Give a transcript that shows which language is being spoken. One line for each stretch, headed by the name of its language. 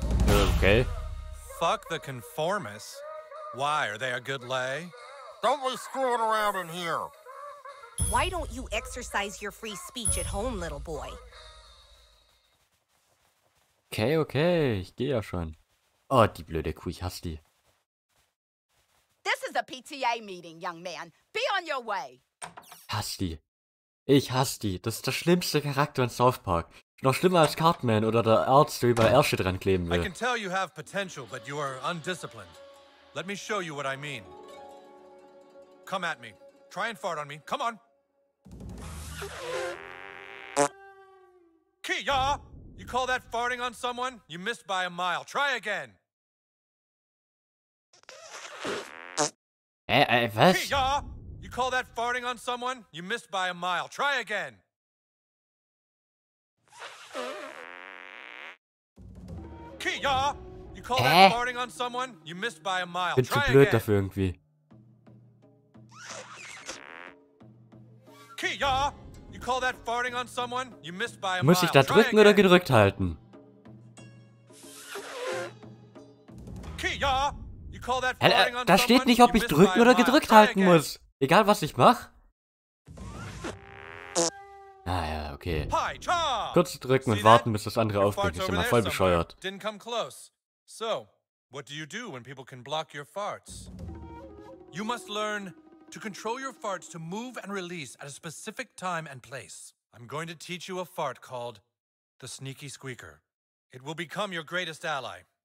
English: Okay. Fuck the conformists. Why, are they a good lay? Don't be screwing around in here. Why don't you exercise your free speech at home, little boy?
German: Okay, okay, ich gehe ja schon. Oh, die blöde Kuh, ich hasse die.
English: This is a PTA meeting, young man. Be on your way.
German: Hasse die. Ich hasse die. Das ist der schlimmste Charakter in South Park. Noch schlimmer als Cartman oder der Arzt, der über Ärsche dran kleben will.
English: I can tell you have potential, but you are undisciplined. Let me show you what I mean. Come at me. Try and fart on me. Come on. Kia! You call that farting on someone? You missed by a mile. Try again.
German: Was? Kia!
English: You call that farting on someone? You missed by a mile. Try again. Kia! You call that farting on someone? You missed by a mile.
German: Bin
English: try
German: zu blöd
English: again.
German: Dafür irgendwie. Kia!
English: You call that farting on someone? You missed by a mile.
German: Muss ich da drücken oder gedrückt halten?
English: Kia, you call that farting on someone?
German: Da steht nicht, ob ich drücken oder gedrückt halten muss. Egal was ich mach. Ah ja, okay. Kurz drücken und warten, bis das andere aufbricht. Ist immer voll bescheuert.
English: Didn't come close. So, what do you do when people can block your farts? You must learn to control your farts to move and release at a specific time and place. I'm going to teach you a fart called the Sneaky Squeaker. It will become your greatest ally.